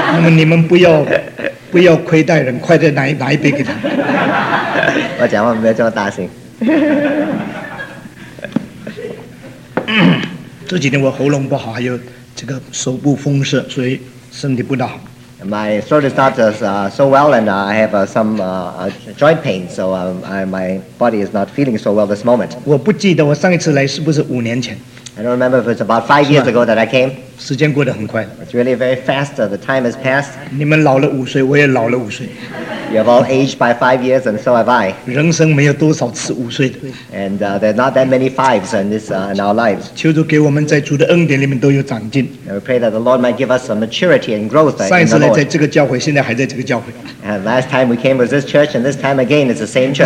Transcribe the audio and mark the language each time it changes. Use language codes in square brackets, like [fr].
[zh] 你们不要亏待人 快点拿一杯给他我讲话没有这么大声这几天我喉咙不好 还有这个手部风湿 所以身体不大好 [en] My throat is not so well and I have some joint pain so my body is not feeling so well this moment [zh] 我不记得我上一次来是不是五年前 [en] I don't remember if it was about 5 years ago that I came. [zh] 时间过得很快。 [en] It's really very fast. The time has passed. [zh] 你们老了5岁, 我也老了5岁。 [en] You have all aged by 5 years, and so have I. [zh] 人生没有多少次5岁的。 [en] And there are not that many fives in this in our lives. [zh] 求主给我们在主的恩典里面都有长进。 [en] And we pray that the Lord might give us some maturity and growth in the Lord. [zh] 上一次来在这个教会, 现在还在这个教会。 [en] And last time we came was this church, and this time again it's the same church.